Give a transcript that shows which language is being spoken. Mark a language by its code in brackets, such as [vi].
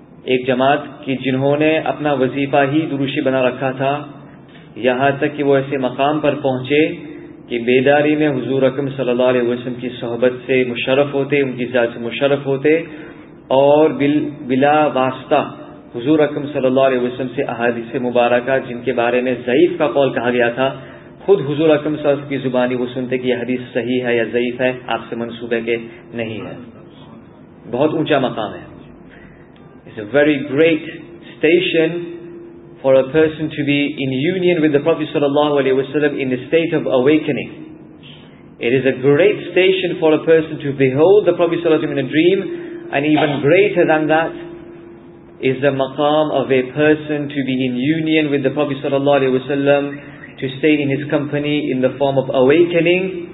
[ur] ایک جماعت کی جنہوں نے اپنا وظیفہ ہی دروشی بنا رکھا تھا، یہاں تک کہ وہ ایسے مقام پر پہنچے کہ بیداری میں حضور اکرم صلی اللہ علیہ وسلم کی صحبت سے مشرف ہوتے، ان کی ذات سے مشرف ہوتے، اور بلا واسطہ حضور اکرم صلی اللہ علیہ وسلم سے احادیث مبارکہ، جن کے بارے میں ضعیف کا قول کہا گیا تھا، خود حضور اکرم صلی اللہ علیہ وسلم کی زبانی وہ سنتے کہ یہ حدیث صحیح ہے یا ضعیف ہے، آپ سے منسوب ہے کہ نہیں ہے. بہت اونچا مقام ہے. [en] It's a very great station for a person to be in union with the prophet صلی اللہ علیہ وسلم in state of awakening. It is a great station for a person to behold the prophet صلی اللہ علیہ وسلم in a dream, and even greater than that is the maqam of a person to be in union with the Prophet sallallahu alaihi wasallam, to stay in his company in the form of awakening.